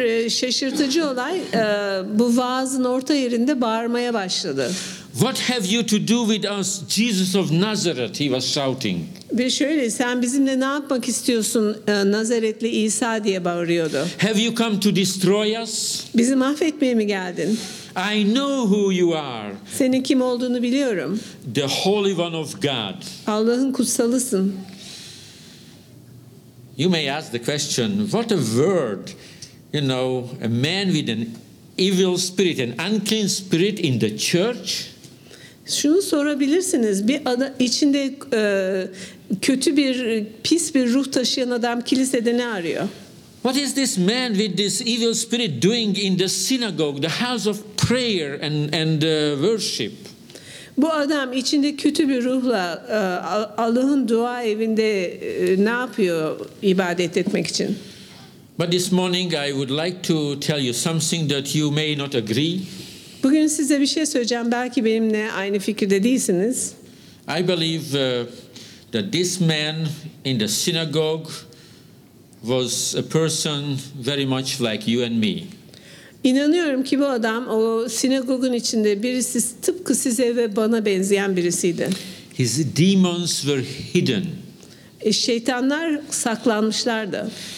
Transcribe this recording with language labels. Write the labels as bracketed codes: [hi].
[tr] Şaşırtıcı olay bu vaazın orta yerinde bağırmaya başladı. [en] What have you to do with us, Jesus of Nazareth? He was shouting. [tr] Ve şöyle, sen bizimle ne yapmak istiyorsun, Nazaretli İsa diye bağırıyordu. [en] Have you come to destroy us? [tr] Bizi mahvetmeye mi geldin? [en] I know who you are. [tr] Senin kim olduğunu biliyorum. [en] The Holy One of God. [tr] Allah'ın kutsalısın. [en] You may ask the question, what a word, you know, a man with an evil spirit, an unclean spirit in the church. [tr] Şunu sorabilirsiniz, bir adam içinde kötü bir, pis bir ruh taşıyan adam kilisede ne arıyor? [en] What is this man with this evil spirit doing in the synagogue, the house of prayer and worship? [tr] Bu adam içinde kötü bir ruhla Allah'ın dua evinde ne yapıyor ibadet etmek için? [en] But this morning I would like to tell you something that you may not agree. [tr] Bugün size bir şey söyleyeceğim. Belki benimle aynı fikirde değilsiniz. [en] I believe that this man in the synagogue was a person very much like you and me. [tr] İnanıyorum ki bu adam o sinagogun içinde birisi, tıpkı size ve bana benzeyen birisiydi. [en] His demons were hidden. [tr] Şeytanlar saklanmışlardı.